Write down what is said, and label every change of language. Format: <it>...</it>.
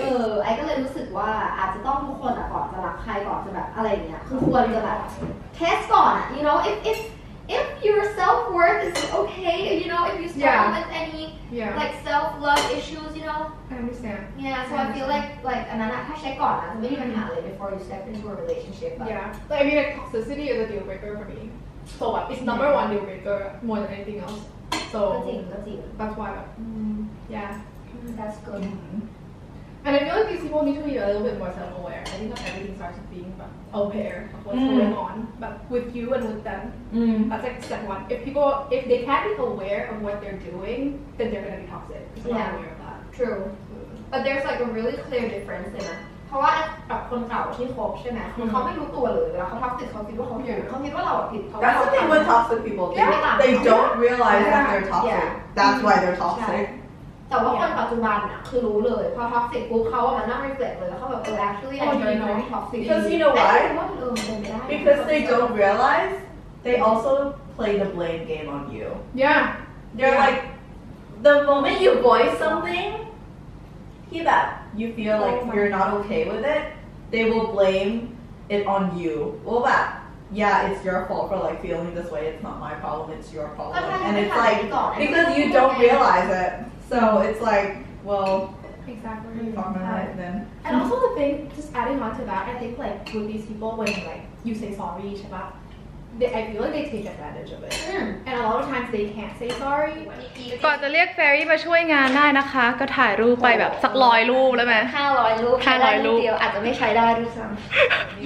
<th>เออไอ้ก็เลยรู้สึกว่าอาจจะต้องทุกคนอ่ะก่อนจะรักใครก่อนจะแบบอะไรเนี้ยคือควรจะแบบ</th> <en>test</en> <th>ก่อนอ่ะ</th> <en>you know if your self worth is okay, you know, if you struggle with any like self love issues, you know. I understand. Yeah, so I feel like</en> <th>อันนั้นอ่ะถ้าเช็คก่อนนะจะไม่มีปัญหาเลย</th> <en>before you step into a relationship. Yeah, but I mean, like, toxicity is a deal breaker for me. So what? It's number one deal breaker more than anything else. So.</en> <th>ก็จริง.</th> <en>That's why. That's good. And I feel like these people need to be a little bit more self aware. I think not everything starts with being but aware of what's going on, but with you and with them. That's like step one. If they can't be aware of what they're doing, then they're gonna be toxic. Just not aware of that. True. But there's like a really clear difference in it.</en> <th>เพราะว่ากับคนเก่าที่คบใช่ไหมเขาไม่รู้ตัวเลยแล้วเขาท็อกซิกเขาคิดว่าเขาผิดเขาคิดว่าเราผิดเขา แต่ถ้าที่มันท็อกซิก</th> <en>people they don't realize that they're toxic that's why they're toxic</en> <th>แต่ว่าคนปัจจุบันอะคือรู้เลยพอท็อกซิกปุ๊บเขาแบบนั่งรีเฟล็กเลยแล้วเขาแบบ</th> <en>actually I'm very toxic because you know why because they don't realize they also play the blame game on you they're like the moment you voice something</en> <th>ที่แบบ</th> <en>you feel like you're not okay with it they will blame it on you well that yeah it's your fault for like feeling this way it's not my problem it's your problem and it's like because you don't realize it so it's like well exactly fuck my life then and also the thing just adding on to that I think like with these people when like you say sorry</en> <th>ใช่ปะ</th> <en>I feel like they take advantage of it, and a lot of times they can't say sorry.</en> <th>ก่อนจะเรียกแฟรี่มาช่วยงานได้นะคะก็ถ่ายรูปไปแบบสักร้อยรูปแล้วไหม 500 รูป 500 รูป เดียวอาจจะไม่ใช้ได้ด้วยซ้ำ</th>